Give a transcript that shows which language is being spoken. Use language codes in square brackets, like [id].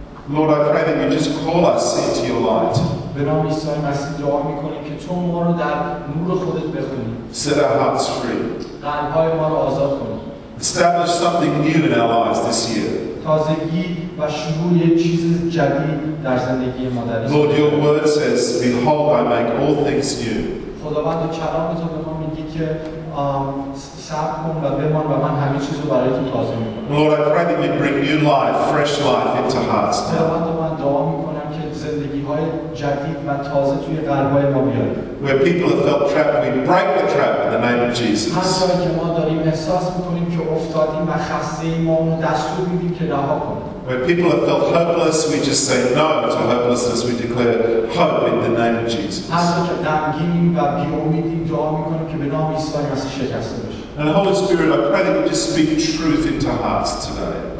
[en] Lord, I pray that you just call us into your light. [fa] به نام عیسی مسیح دعا میکنیم که تو ما رو در نور خودت بخونی. [en] Set our hearts free. [fa] قلبهای ما رو آزاد کنی. [en] Establish something new in our lives this year. [fa] تازگی و شروع یه چیز جدید در زندگی ما در این. [en] Lord, your word says, behold, I make all things new. [fa] خداوند کلام تو به ما میگه که صبر کن و بمان و من همه چیز رو برای تو تازه میکنم. [en] Lord, I pray that you bring new life, fresh life into hearts. [fa] خداوند من دعا میکنم زندگی‌های جدید و تازه توی قلب‌های ما بیاد. [en] Where people have felt trapped, we break the trap in the name of Jesus. [fa] هر جایی که ما داریم احساس می‌کنیم که افتادیم و خسته‌ایم، ما اون دستور می‌دیم که رها کنیم. [en] Where people have felt hopeless, we just say no to hopelessness. We declare hope in the name of Jesus. [fa] هر جایی که دنگیم و بی‌امیدیم، دعا می‌کنیم که به نام عیسی مسیح شکست بشه. [en] And Holy Spirit, I pray that you just speak truth into hearts today.